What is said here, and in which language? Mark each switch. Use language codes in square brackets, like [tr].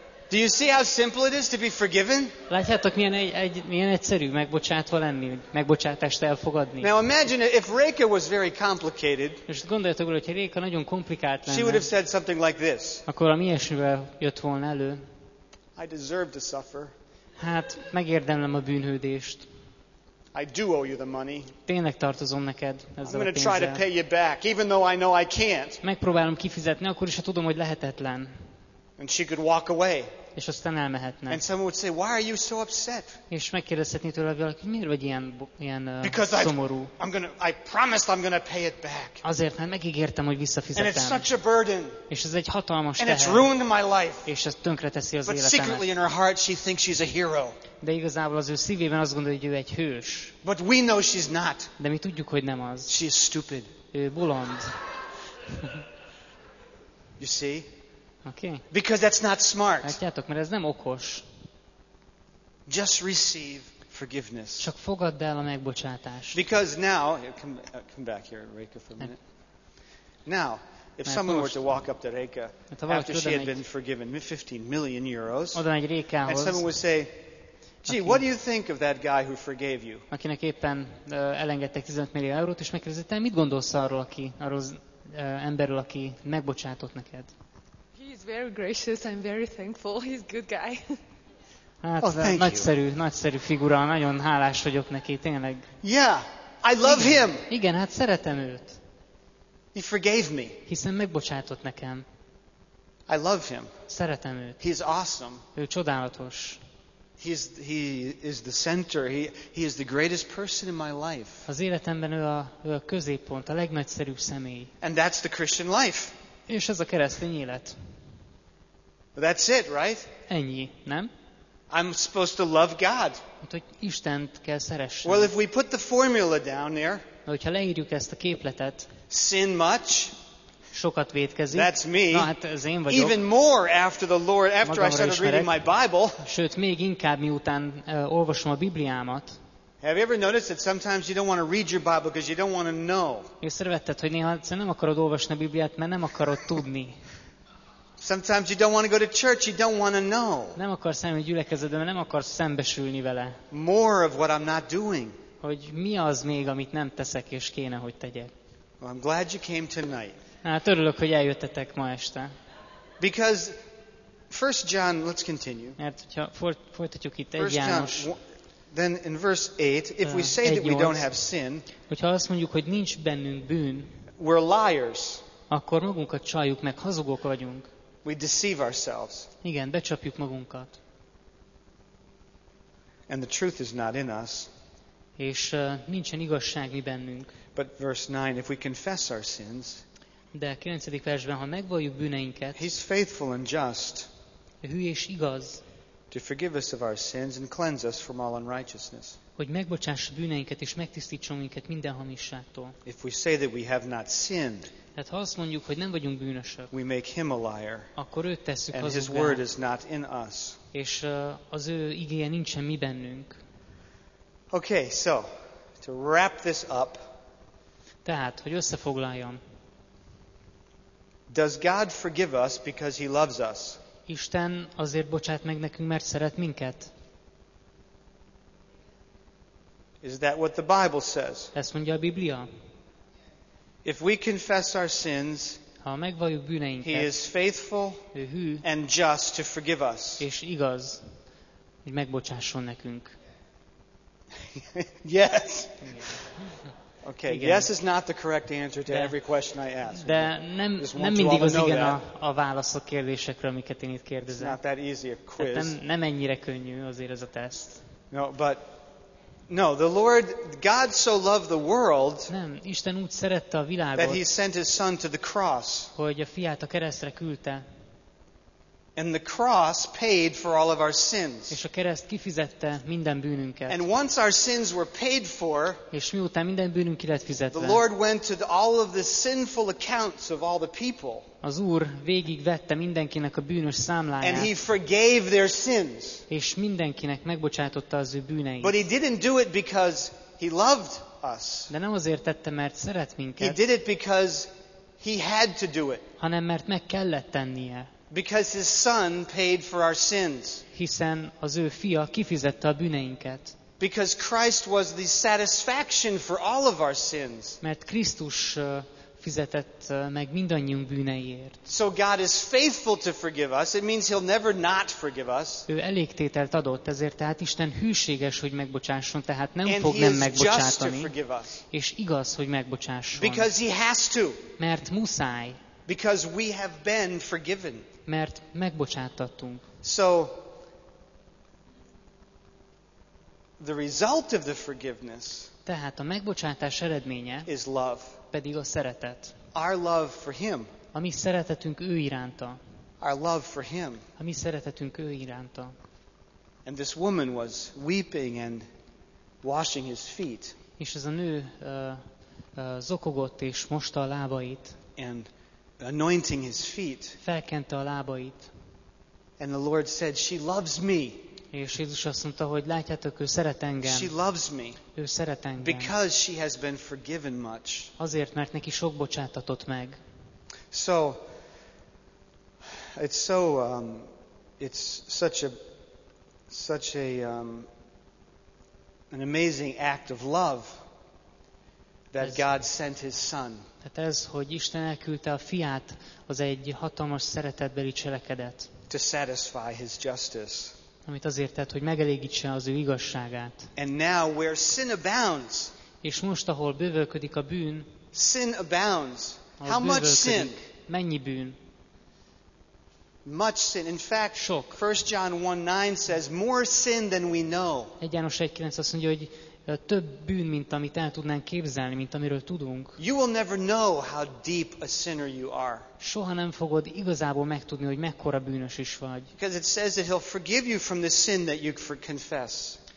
[en] Do you see how simple it is to be forgiven? [hu] Látjátok, milyen egyszerű megbocsátva lenni, megbocsátást elfogadni. [en] Now imagine if Reka was very complicated. [hu] És gondoljatok, hogy Reka nagyon komplikált lenne. [en] She would have said something like this. [hu] Akkor ami ilyesmivel jött volna elő. [en] I deserve to suffer. [hu] Hát megérdemlem a bűnhődést. [en] I do owe you the money. [hu] Tényleg tartozom neked ezzel a pénzzel. [en] I'm going to try to pay you back, even though I know I can't. [hu] Megpróbálom kifizetni, akkor is, ha tudom, hogy lehetetlen. [en] And she could walk away. [hu] És aztán elmehetne. [en] And someone would say, "Why are you so upset?" [hu] És megkérdezhetné tőle valaki, miért vagy ilyen szomorú? [en] I promised I'm going to pay it back. [hu] Azért, mert megígértem, hogy visszafizetem. [en] And it's such a burden. [hu] És ez egy hatalmas teher. [en] And it's ruined my life. [hu] És ez tönkreteszi az életemet. [en] But secretly in her heart, she thinks she's a hero. [hu] De igazából az ő szívében azt gondolja, hogy ő egy hős. [en] But we know she's not. [hu] De mi tudjuk, hogy nem az. [en] She's stupid. [hu] Ő bolond. [en] You see? Okay. Because that's not smart. [hu] Látjátok, mert ez nem okos. [en] Just receive forgiveness. [hu] Csak fogadd el a megbocsátást. [en] Because now, come back here, Reka, for a minute. Now, if [hu] mert [en] someone were to walk up to Reka after she had been forgiven 15 million euros, and someone would say, "Gee, what do you think of that guy who forgave you?" [hu] Akinek éppen elengedtek 15 millió eurót, és megkérdezett, mit gondolsz arról, aki arról emberről, aki megbocsátott neked? [en] He's very gracious. I'm very thankful. He's good guy. [hu] Hát, [en] oh, thank [hu] nagyszerű, [en] you. [hu] Nagyszerű figura. Nagyon hálás vagyok neki, tényleg. [en] Yeah, I love [hu] igen. [en] him. [hu] Igen, hát szeretem őt. [en] He forgave me. [hu] Hiszen megbocsátott nekem. [en] I love him. [hu] Szeretem őt. [en] He's awesome. [hu] Ő csodálatos. [en] He is the center. He is the greatest person in my life. [hu] Az életemben ő a középpont, a legnagyszerűbb személy. [en] And that's the Christian life. [hu] És ez a keresztény élet. [en] That's it, right? [hu] Ennyi, nem? [en] I'm supposed to love God. [hu] Hát, hogy Istent kell szeressen. [en] Well, if we put the formula down there. [hu] Hogyha leírjuk ezt a képletet. [en] Sin much. [hu] Sokat vétkezik. [en] That's me. [hu] Na, hát ez én vagyok. [en] Even more after the Lord, after [hu] magamra [en] I started [hu] ismerek, [en] reading my Bible. [hu] Sőt, még inkább miután olvasom a Bibliámat. [en] Have you ever noticed that sometimes you don't want to read your Bible because you don't want to know? [hu] Észrevetted, hogy néha nem akarod olvasni a Bibliát, mert nem akarod tudni. [en] Sometimes you don't want to go to church, you don't want to know. [hu] Nem akarsz elmenni a gyülekezetbe, mert nem akarsz szembesülni vele. [en] More of what I'm not doing. [hu] Hogy mi az még, amit nem teszek és kéne, hogy tegyek. [en] Well, I'm glad you came tonight. [hu] Hát örülök, hogy eljöttetek ma este. [en] Because 1 John, let's continue. [hu] Mert hogyha folytatjuk itt 1 János. [en] Then in verse 8, if we say that we don't have sin, [hu] hogyha azt mondjuk, hogy nincs bennünk bűn, [en] we're liars. [hu] Akkor magunkat csaljuk meg, hazugok vagyunk. [en] We deceive ourselves. [hu] Igen, becsapjuk magunkat. [en] And the truth is not in us. [hu] És nincsen igazság mi bennünk. [en] But verse 9, if we confess our sins, [hu] de 9. versben, ha megvalljuk bűneinket, [en] he's faithful and just. [hu] Hű és igaz. [en] To forgive us of our sins and cleanse us from all unrighteousness. [hu] Hogy megbocsássa bűneinket és megtisztítson minket minden hamisságtól. [en] If we say that we have not sinned, [hu] hát ha azt mondjuk, hogy nem vagyunk bűnösök, [en] we make him a liar, [hu] akkor őt tesszük [en] and [hu] hazugá, [en] his word is not in us. [hu] És az ő igéje nincsen mi bennünk. [en] Okay, so to wrap this up. [hu] Tehát, hogy összefoglaljam. [en] Does God forgive us because he loves us? [hu] Isten azért bocsát meg nekünk, mert szeret minket. [en] Is that what the Bible says? [hu] Ezt mondja a Biblia. [en] If we confess our sins, [hu] ha megvalljuk bűneinket, [en] he is faithful and just to forgive us. [hu] És igaz, hogy megbocsásson nekünk. [en] Yes. Okay, [hu] igen. [en] Yes is not the correct answer to every question I ask. [hu] De nem mindig az igen a válasz a kérdésekre, amiket én itt kérdezem. [en] It's not that easy a quiz. [hu] Nem ennyire könnyű azért ez a teszt. [en] No, the Lord, God so loved the world, [hu] nem, Isten úgy szerette a világot, [en] that he sent his son to the cross, [hu] hogy a fiát a keresztre küldte. [en] And the cross paid for all of our sins. [hu] És a kereszt kifizette minden bűnünket. [en] And once our sins were paid for, [hu] és miután minden bűnünk ki lett fizetve, [en] the Lord went to all of the sinful accounts of all the people. [hu] Az Úr végigvette mindenkinek a bűnös számláját. [en] And he forgave their sins. [hu] És mindenkinek megbocsátotta az ő bűneit. [en] But he didn't do it because he loved us. [hu] De nem azért tette, mert szeret minket. [en] He did it because he had to do it. [hu] Hanem mert meg kellett tennie. [en] Because his son paid for our sins. [hu] Hiszen az ő fia kifizette a bűneinket. [en] Because Christ was the satisfaction for all of our sins. [hu] Mert Krisztus fizetett meg mindannyiunk bűneiért. [en] So God is faithful to forgive us. It means he'll never not forgive us. [hu] Ő elégtételt adott, ezért tehát Isten hűséges, hogy megbocsásson, tehát nem fog nem megbocsátani. És igaz, hogy megbocsásson. [en] Because he has to. [hu] Mert muszáj. [en] Because we have been forgiven. [hu] Mert megbocsátattunk. [en] So the result of the forgiveness, [hu] tehát a megbocsátás eredménye, [en] is love. [hu] Pedig a szeretet. [en] Our love for him. [hu] A mi szeretetünk ő iránta. [en] Our love for him. [hu] A mi szeretetünk ő iránta. [en] And this woman was weeping and washing his feet. [hu] És ez a nő zokogott és mosta a lábait. [en] And anointing his feet. [hu] Felkente a lábait. [en] And the Lord said, she loves me. [hu] És Jézus azt mondta, hogy látjátok, ő szeret engem. [en] She loves me. [hu] Ő szeret engem. [en] Because she has been forgiven much. [hu] Azért, mert neki sok bocsátatott meg. [en] So, it's so, it's such a, an amazing act of love that God sent his son. [hu] Tehát ez, hogy Isten elküldte a fiát, az egy hatalmas szeretetbeli cselekedet. [en] To satisfy his justice. [hu] Amit azért tett, hogy megelégítse az ő igazságát. [en] And now where sin abounds. [hu] És most, ahol bővölködik a bűn. [en] Sin abounds. How much sin? [hu] Mennyi bűn? [en] Much sin. In fact, [hu] sok. [en] 1 John 1:9 says more sin than we know. [hu] 1 János 1:9 azt mondja, hogy több bűn, mint amit el tudnánk képzelni, mint amiről tudunk. [en] You will never know how deep a sinner you are. [hu] Soha nem fogod igazából megtudni, hogy mekkora bűnös is vagy. [en] Because it says that he'll forgive you from the sin that you confess.